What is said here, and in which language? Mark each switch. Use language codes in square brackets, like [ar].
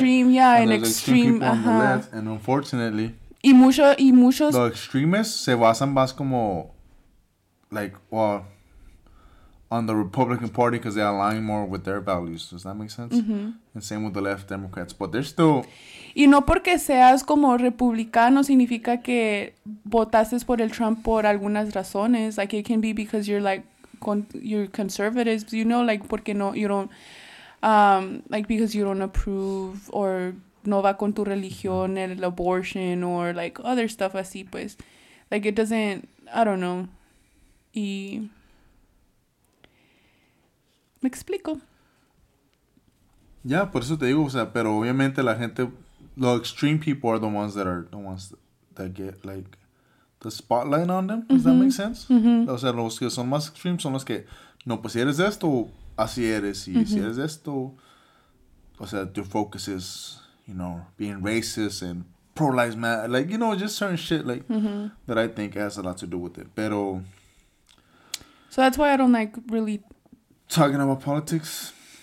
[en] Extreme, yeah, and extreme people on the left. And unfortunately, [es] y muchos. [en] The extremists [es] se basan más como, [en] like, well, on the Republican Party because they align more with their values. Does that make sense? Mm-hmm. And same with the left Democrats, but they're still. [es] Y no porque seas como republicano significa que votaste por el Trump por algunas razones. [en] Like, it can be because you're like. You're conservatives, you know, like, [es] porque no, [en] you don't, like, because you don't approve, or [es] no va con tu religión, el [en] abortion, or, like, other stuff [es] así, pues, [en] like, it doesn't, I don't know, [es] y, me explico. Ya, por eso te digo, o sea, pero obviamente la gente, los [en] extreme people are the ones that are the ones that get like the spotlight on them. Does that make sense? [es] O sea, los que son más extreme son los que, no, pues si eres de esto, así eres. Y si eres de esto, o sea, [en] your focus is, you know, being racist and pro-life matter. Like, you know, just certain shit like that I think has a lot to do with it. [es] Pero [en] So that's why I don't like really talking about politics.